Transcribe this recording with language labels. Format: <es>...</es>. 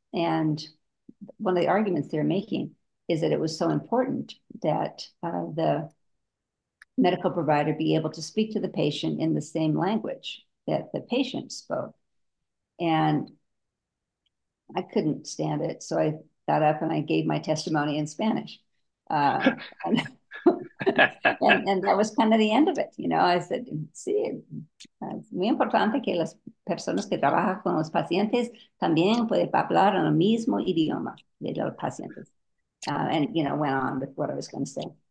<en>And one of the arguments they're making is that it was so important that the medical provider be able to speak to the patient in the same language that the patient spoke. And I couldn't stand it. So I got up and I gave my testimony in Spanish. and that was kind of the end of it. You know, I said,</en> <es>sí, es muy importante que las personas que trabajan con los pacientes también pueden hablar en el mismo idioma de los pacientes.</es> <en>And, you know, went on with what I was going to say.</en>